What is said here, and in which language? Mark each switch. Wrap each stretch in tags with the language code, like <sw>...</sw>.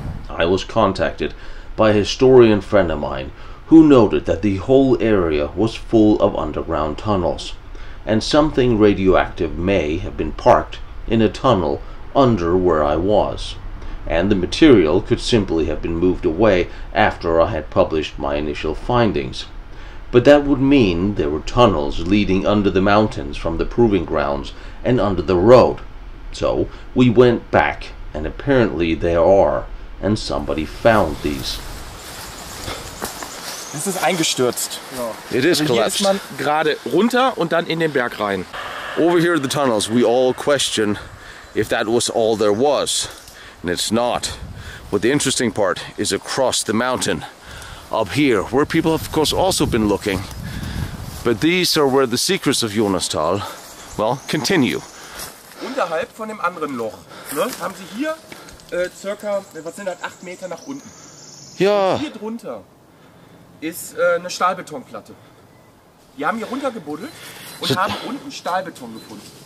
<en>I was contacted by a historian friend of mine who noted that the whole area was full of underground tunnels, and something radioactive may have been parked in a tunnel under where I was, and the material could simply have been moved away after I had published my initial findings. But that would mean there were tunnels leading under the mountains from the proving grounds and under the road. So we went back, and apparently there are, and somebody found these. This is</en> <de>eingestürzt.</de> <en>Ja. It is collapsed.</en> <de>Hier ist man gerade runter und dann in den Berg rein.</de> <en>Over here are the tunnels. We all question if that was all there was, and it's not. But the interesting part is across the mountain. Up here, where people have of course also been looking. But these are where the secrets of Jonastal, well, continue.</en> <de>Unterhalb von dem anderen Loch, ne, haben sie hier circa, was sind das, 8 Meter nach unten. Ja. Und hier drunter ist eine Stahlbetonplatte. Die haben hier runtergebuddelt und so, haben unten Stahlbeton gefunden.</de>